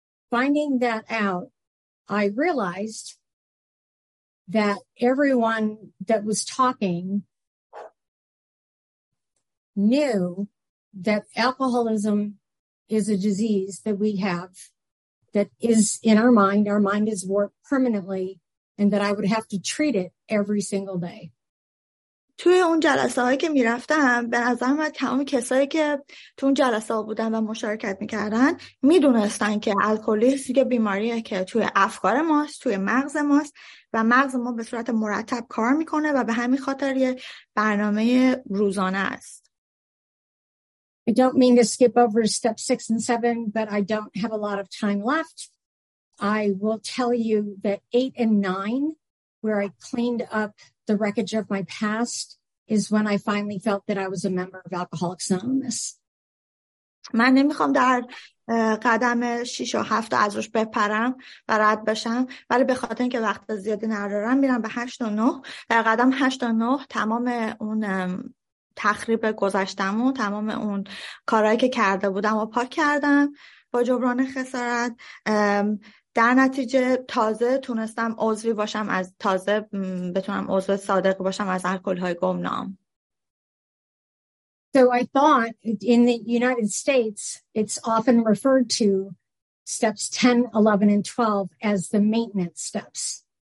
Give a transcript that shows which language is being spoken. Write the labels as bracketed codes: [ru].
[en] Finding that out, I realized that everyone that was talking knew that alcoholism is a disease that we have that is in our mind. Our mind is warped permanently. And that I would have to treat it every single day. [fa] توی اون جلسه هایی که می رفتم به نظر من تمام کسایی که تو اون جلسه ها بودن و مشارکت می کردن می دونستن که الکلیسم یه بیماریه که توی افکار ماست، توی مغز ماست و مغز ما به صورت مرتب کار می کنه و به همین خاطر یه برنامه روزانه است. [en] I don't mean to skip over step 6 and 7, but I don't have a lot of time left. I will tell you that 8 and 9, where I cleaned up the wreckage of my past, is when I finally felt that I was a member of Alcoholics Anonymous. [fa] من نمیخوام در قدم 6 و 7 از روش بپرم و رد بشم، ولی به خاطر اینکه وقت زیادی ندارم میرم به 8 و 9. در قدم 8 و 9 تمام اون تخریب گذشتم و تمام اون کارهایی که کرده بودم و پاک کردم با جبران خسارت. در نتیجه تازه تونستم عضوی باشم، از تازه بتونم عضو صادق باشم از الکل‌های گمنام. [en] So I thought in the United States it's often referred to steps 10, 11 and 12 as the maintenance steps.